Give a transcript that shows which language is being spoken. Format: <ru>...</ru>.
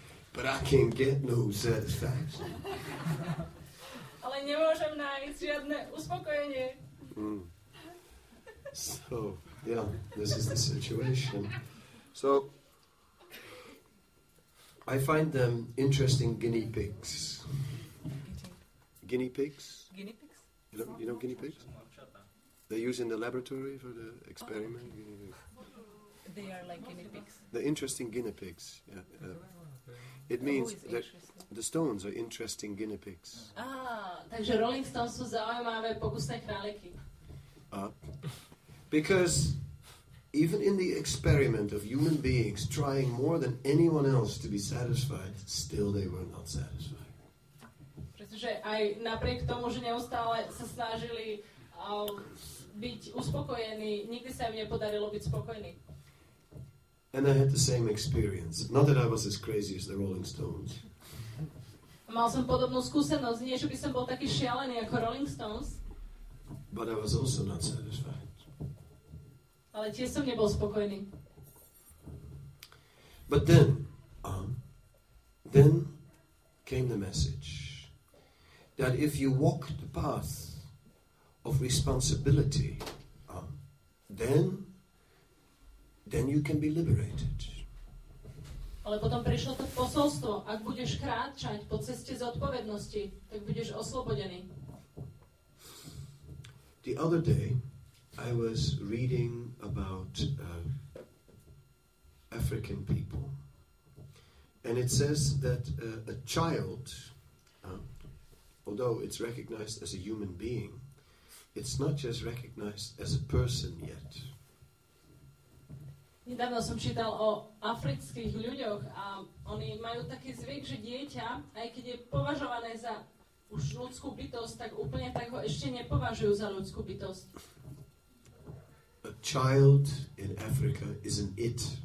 <en>But I can't get no satisfaction.</en> <sk>Ale nemôžem nájsť žiadne uspokojenie.</sk> <en>So, yeah, this is the situation. So, I find them interesting guinea pigs. Guinea pigs? Guinea pigs? You know guinea pigs? They use in the laboratory for the experiment. They are like guinea pigs. The interesting guinea pigs. It means that the stones are interesting guinea pigs.</en> <sk>Takže Rolling Stones sú zaujímavé pokusné králiky.</sk> <en>Because even in the experiment of human beings trying more than anyone else to be satisfied, still they were not satisfied.</en> <sk>Pretože aj napriek tomu, že neustále sa snažili byť uspokojení, nikdy sa im nepodarilo byť spokojný.</sk> <en>And I had the same experience. Not that I was as crazy as the Rolling Stones.</en> <sk>Mal som podobnú skúsenosť, nie že by som bol taký šialený ako Rolling Stones.</sk> <en>But I was also not satisfied.</en> <sk>Ale tiež som nebol spokojný.</sk> <en>But then came the message that if you walk the path of responsibility, then you can be liberated.</en> <sk>Ale potom prišlo to posolstvo, ak budeš kráčať po ceste zodpovednosti, tak budeš oslobodený.</sk> <en>The other day I was reading about African people, and it says that a child, although it's recognized as a human being, it's not just recognized as a person yet.</en> <sk>Nedávno som čítal o afrických ľuďoch a oni majú taký zvyk, že dieťa, aj keď je považované za už ľudskú bytosť, tak úplne tak ho ešte nepovažujú za ľudskú bytosť.</sk> <en>A child in Africa is an it.</en>